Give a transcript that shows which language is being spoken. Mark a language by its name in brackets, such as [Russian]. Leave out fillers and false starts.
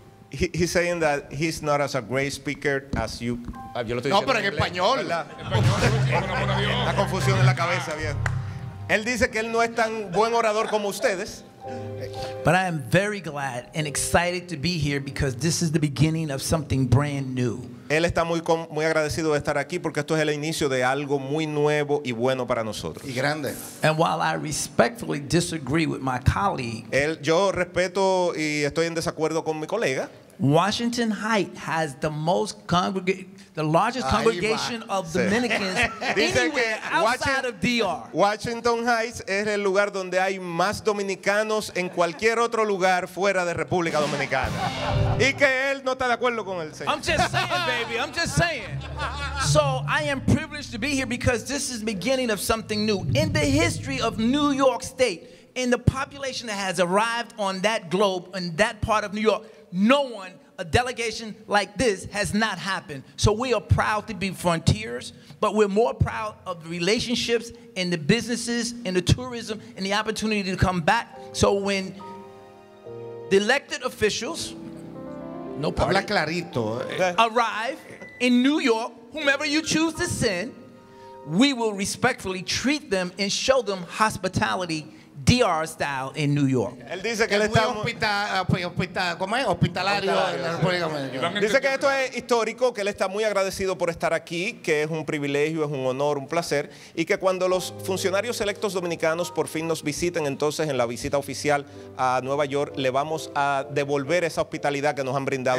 [English] He's saying that he's not as a great speaker as you. [Spanish] Yo lo estoy no, pero en español. La confusión en la cabeza, bien. Él dice que él no es tan buen orador como ustedes. [English] But I am very glad and excited to be here because this is the beginning of something brand new. [Spanish] Él está muy agradecido de estar aquí porque esto es el inicio de algo muy nuevo y bueno para nosotros. Y grande. [English] And while I respectfully disagree with my colleague, [Spanish] yo respeto y estoy en desacuerdo con mi colega. [English] Washington Heights has the most largest congregation of Dominicans outside of DR. [Spanish] Washington Heights es el lugar donde hay más dominicanos en cualquier otro lugar fuera de República Dominicana. Y que él no está de acuerdo con el señor. [English] I'm just saying, baby. I'm just saying. So I am privileged to be here because this is the beginning of something new. In the history of New York State, in the population that has arrived on that globe, in that part of New York, no one, a delegation like this has not happened. So we are proud to be frontiers, but we're more proud of the relationships and the businesses and the tourism and the opportunity to come back. So when the elected officials, no party, [Spanish] habla clarito, [English] arrive in New York, whomever you choose to send, we will respectfully treat them and show them hospitality DR style in New York. [Spanish] Él dice que es muy hospital, ¿cómo es? Hospitalario en la República Dominicana. Dice que esto es histórico, que él está muy agradecido por estar aquí, que es un privilegio, es un honor, un placer, y que cuando los funcionarios electos dominicanos por fin nos visiten, entonces en la visita oficial a Nueva York, le vamos a devolver esa hospitalidad que nos han brindado